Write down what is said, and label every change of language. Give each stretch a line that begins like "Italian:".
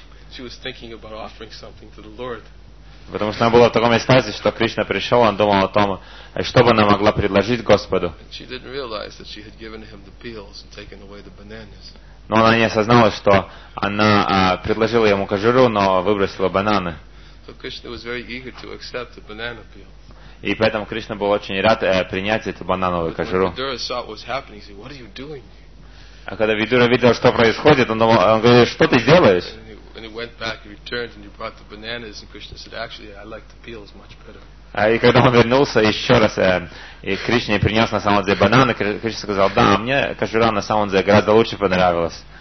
English: She was thinking about offering something to the Lord.
Russian: Потому что она была в таком экстазе, что Кришна пришел, она думала о том, что бы она могла предложить Господу.
English: She didn't realize that she had given him the peels and taken away the bananas.
Russian: Но она не осознала, что она предложила ему кожуру, но выбросила бананы.
English: So Krishna was very eager to accept the banana peel.
Russian: И поэтому Кришна был очень рад принять эту банановую кожуру.
English: But when Vidura saw what was happening, he said, "What are you doing?"
Russian: А когда Видура видел, что происходит, он думал, он говорит, что ты делаешь?
English: And he went back, he returned, and he brought the bananas, and Krishna said, "Actually, I like the peels much better."
Russian: И когда он вернулся еще раз, и Кришне принес на самом деле бананы, Кришна сказал, да, мне кожура на самом деле гораздо лучше понравилась.